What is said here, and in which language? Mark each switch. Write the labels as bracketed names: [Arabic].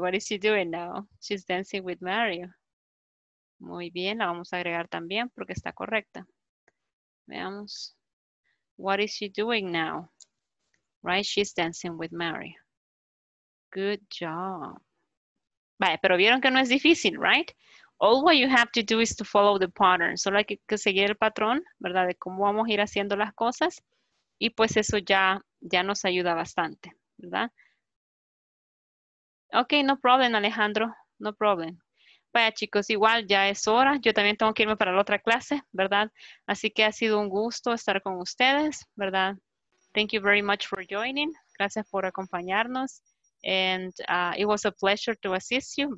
[English] What is she doing now? She's dancing with Mario. [Spanish] Muy bien. La vamos a agregar también porque está correcta. [English] Veamos. What is she doing now? Right? She's dancing with Mario. Good job. [Spanish] Vale, pero vieron que no es difícil, right? [English] All what you have to do is to follow the pattern. [Spanish] Solo hay que seguir el patrón, ¿verdad? De cómo vamos a ir haciendo las cosas. Y pues eso ya nos ayuda bastante, ¿verdad? [English] Ok, no problem, [Spanish] Alejandro. No problem. Vaya, chicos, igual ya es hora. Yo también tengo que irme para la otra clase, ¿verdad? Así que ha sido un gusto estar con ustedes, ¿verdad? [English] Thank you very much for joining. [Spanish] Gracias por acompañarnos. [English] And it was a pleasure to assist you.